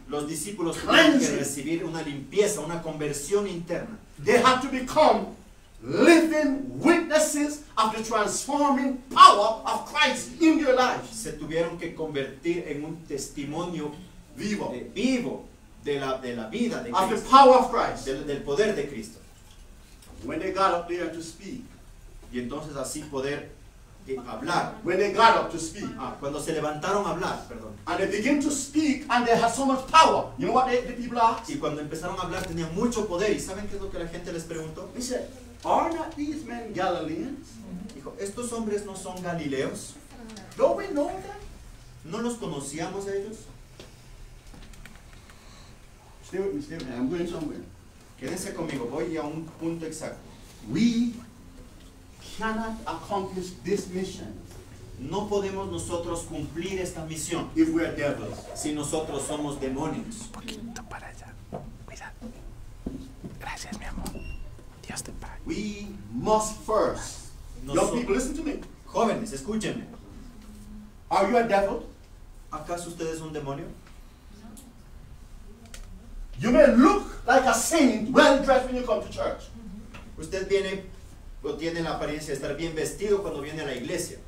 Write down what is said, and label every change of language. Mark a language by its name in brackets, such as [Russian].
[Spanish] Los discípulos tenían que recibir una limpieza, una conversión interna. [English] They had to become living witnesses of the transforming power of Christ in their lives. [Spanish] Se tuvieron que convertir en un testimonio vivo, vivo de la vida de Cristo. [English] Of the power of Christ, [Spanish] del poder de Cristo. [English] When they got up there to speak, [Spanish] y entonces así poder hablar. [English] When they got up to speak, [Spanish] cuando se levantaron a hablar, perdón. [English] And they begin to speak, and they had so much power. You know what the people asked? [Spanish] Y cuando empezaron a hablar tenían mucho poder. ¿Y saben qué es lo que la gente les preguntó? [English] They said, "Are not these men Galileans?" [Spanish] Dijo, "¿Estos hombres no son galileos?" [English] Don't we know them? [Spanish] ¿No los conocíamos a ellos? [English] Stay with me, stay with me. I'm going somewhere. [Spanish] Quédense conmigo. Voy a un punto exacto. [English] We cannot accomplish this mission. [Spanish] No podemos nosotros cumplir esta misión. [English] If we are devils, [Spanish] si nosotros somos demonios. Un poquito para allá. Cuidado. Gracias, mi amor. Dios te pague. [English] We must first. Young people, listen to me. [Spanish] Jóvenes, escúchenme. [English] Are you a devil? [Spanish] ¿Acaso usted es un demonio? [English] You may look like a saint, well dressed when you come to church. [Spanish] Usted viene o tiene la apariencia de estar bien vestido cuando viene a la iglesia.